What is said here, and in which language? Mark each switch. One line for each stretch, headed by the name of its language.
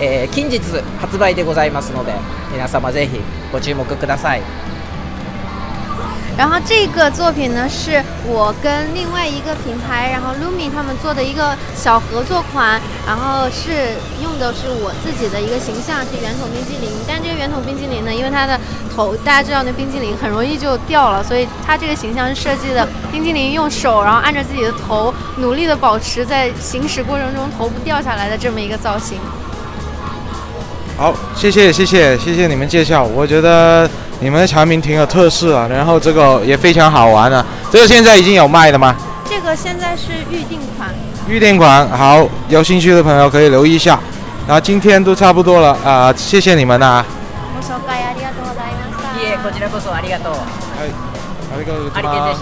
Japanese: 近日発売でございますので、皆様ぜひご注目ください。
Chinese: 然后这个作品呢，是我跟另外一个品牌，然后 Lumi 他们做的一个小合作款，然后是用的是我自己的一个形象，是圆筒冰激凌。但这个圆筒冰激凌呢，因为它的头，大家知道那冰激凌很容易就掉了，所以它这个形象是设计的，冰激凌用手然后按着自己的头，努力的保持在行驶过程中头不掉下来的这么一个造型。好，谢谢你们介绍，我觉得你们的产品挺有特色啊，然后这个也非常好玩啊。这个现在已经有卖的吗？这个现在是预定款。预定款，好，有兴趣的朋友可以留意一下。那今天都差不多了啊，谢谢你们呐。
Japanese: ご紹介ありがとうございました。いえ、こちらこそありがとう。はい、ありがとうございました。